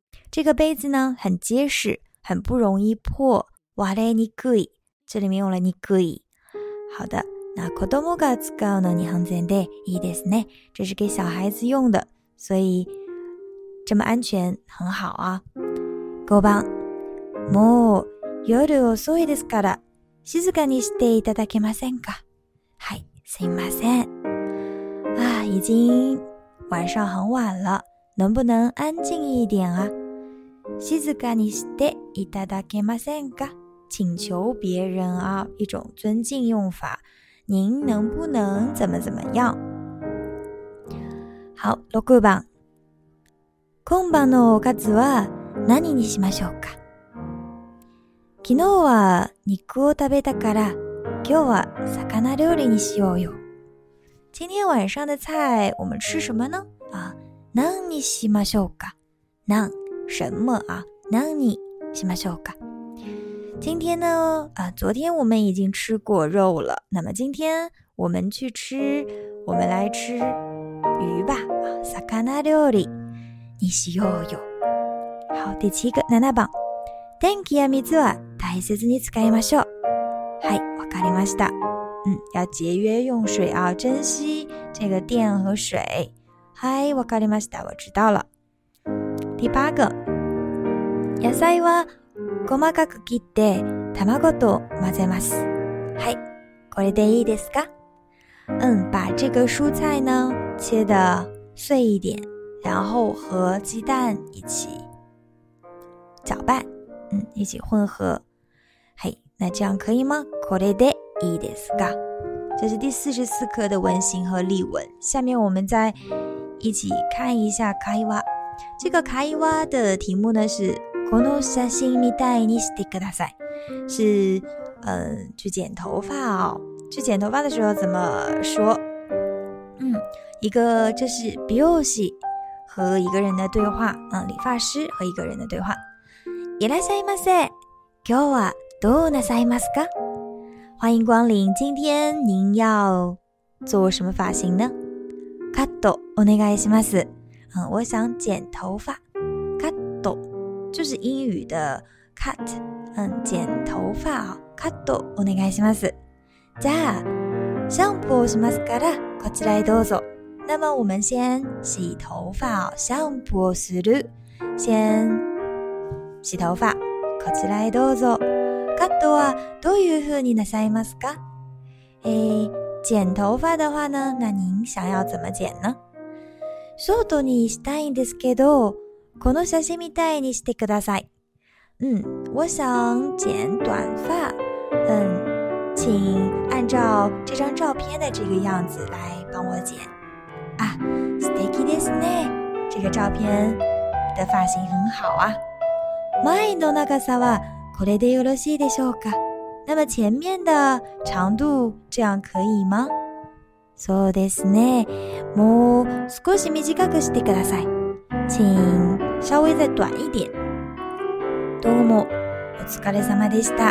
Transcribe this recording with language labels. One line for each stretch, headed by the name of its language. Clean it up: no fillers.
Chinese: 这个杯子呢很结实，很不容易破。
Japanese: 割れにくい。
Chinese: 这里面用了にくい。好的。
Japanese: 那子供が使うのに安全でいいですね。
Chinese: 这是给小孩子用的。所以这么安全很好啊。
Japanese: 5番。もう夜遅いですから。静かにしていただけませんか？はい、すいません。
Chinese: 啊，已经晚上很晚了，能不能安静一点啊？
Japanese: 静かにしていただけませんか？
Chinese: 请求别人啊，一种尊敬用法，您能不能怎么怎么样。好，六番。
Japanese: 今晩のおかずは何にしましょうか。昨日は肉を食べたから、今日は魚料理にしようよ。
Chinese: 今天晚上的菜我们吃什么呢？
Japanese: 啊，何にしましょうか。
Chinese: 何什么啊？
Japanese: 何にしましょうか。
Chinese: 今天呢，啊，昨天我们已经吃过肉了，那么今天我们去吃，我们来吃鱼吧。啊，
Japanese: 魚料理にしようよ。
Chinese: 好，第七个七番。
Japanese: 天気や水は大切に使いましょう。はい、わかりました。
Chinese: 要节约用水啊，珍惜这个电和水。
Japanese: はい、わかりました。
Chinese: 我知道了。第八个。
Japanese: 野菜は細かく切って卵と混ぜます。はい、これでいいですか？
Chinese: 把这个蔬菜呢切得碎一点，然后和鸡蛋一起搅拌。一起混合。嘿，那这样可以吗？
Japanese: これでいいですか？
Chinese: 这是第44课的文型和例文。下面我们再一起看一下会話。这个会話的题目呢是
Japanese: この写真みたいにしてください。
Chinese: 是去剪头发哦。去剪头发的时候怎么说？一个就是美容師和一个人的对话，理发师和一个人的对话。
Japanese: いらっしゃいませ。今日はどうなさいますか？
Chinese: 欢迎光临。今天您要做什么发型呢？
Japanese: カットお願いします。
Chinese: 我想剪头发。カット就是英语的 cut。剪头发。
Japanese: カットお願いします。じゃあシャンプーをしますからこちらへどうぞ。
Chinese: 那么我们先洗头发。
Japanese: シャンプーをする。
Chinese: 先。洗头发。
Japanese: こちらへどうぞ。カットはどういうふうになさいますか？
Chinese: 剪头发的话呢、那您想要怎么剪呢？
Japanese: ショートにしたいんですけど、この写真みたいにしてください。
Chinese: 我想剪短发。请按照这张照片的这个样子来帮我剪。
Japanese: あ、素敵ですね。
Chinese: 这个照片的发型很好啊。
Japanese: 前の長さはこれでよろしいでしょうか？
Chinese: 那么前面的长度这样可以吗？
Japanese: そうですね。もう少し短くしてください。
Chinese: 请稍微再短一点。
Japanese: どうもお疲れ様でした。